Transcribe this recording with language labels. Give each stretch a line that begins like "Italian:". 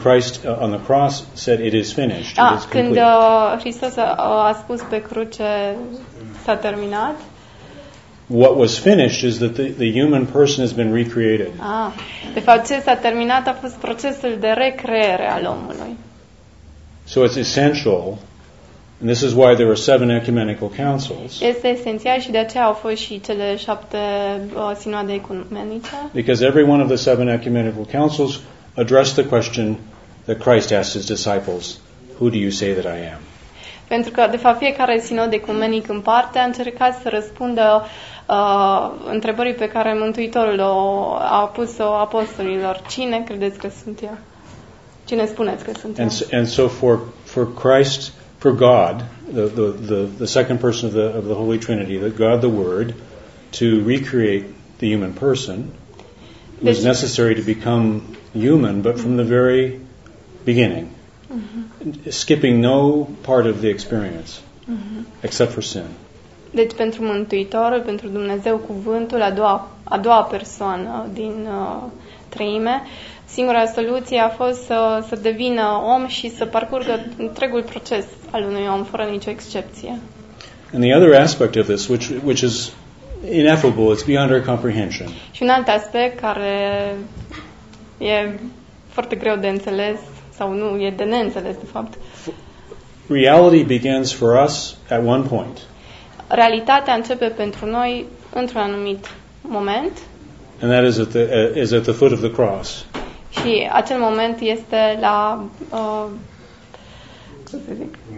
English: Christ on the cross said, "It is finished."
Romanian: Când Hristos a spus pe cruce, s-a terminat.
English: What was finished is that the human person has been recreated.
Romanian: De fapt, ce s-a terminat a fost procesul de recreere al omului.
English: So it's essential, and this is why there are 7 ecumenical councils.
Romanian: Este esențial și de aceea au fost și cele 7 sinoade ecumenice.
English: Because every one of the 7 ecumenical councils addressed the question that Christ asked his disciples, "Who do you say that I am?"
Romanian: pentru că de fapt fiecare sinod ecumenic în parte a încercat să răspundă întrebării pe care Mântuitorul o a pus-o apostolilor. Cine credeți că sunt eu? Cine spuneți că sunt eu?
English: And so for Christ, for God, the second person of the Holy Trinity, the God the Word, to recreate the human person, it was necessary to become human, but from the very beginning, skipping no part of the experience, except for sin.
Romanian: Deci pentru Mântuitor, pentru Dumnezeu Cuvântul, a doua persoană din treime, singura soluție a fost să devină om și să parcurgă întregul proces al unui om fără nicio excepție.
English: And the other aspect of this, which is ineffable, it's beyond our comprehension.
Romanian: Și un alt aspect care e foarte greu de înțeles sau nu, e de neînțeles de fapt.
English: Reality begins for us at one point.
Romanian: Realitatea începe pentru noi într-un anumit moment.
English: And that is at the foot of the cross.
Romanian: Și acel moment este la cum se zic?